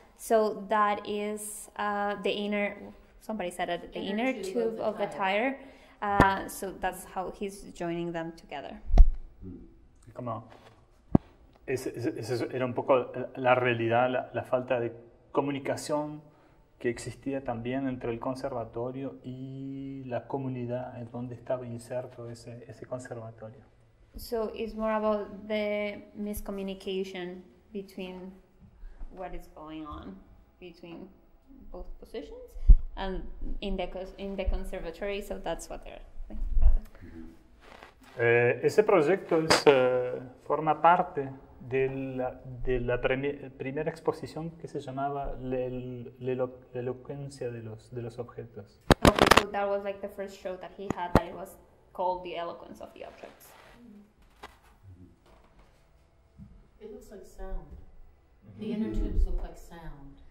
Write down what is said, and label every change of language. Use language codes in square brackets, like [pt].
[en] So that is the inner, somebody said it, the inner tube of the tire. So that's how he's joining them together. [es] Como, ese era un poco la realidad, la falta de comunicación que existía también entre el conservatorio y la comunidad en donde estaba inserto ese conservatorio. [en] So it's more about the miscommunication between what is going on between both positions and in the conservatory, so that's what they're thinking about. [es] Ese proyecto forma parte de la primera exposición que se llamaba la elocuencia de los objetos. [en] Okay, so that was like the first show that he had that it was called The Eloquence of the Objects. It looks like sound. Mm-hmm. The inner tubes look like sound.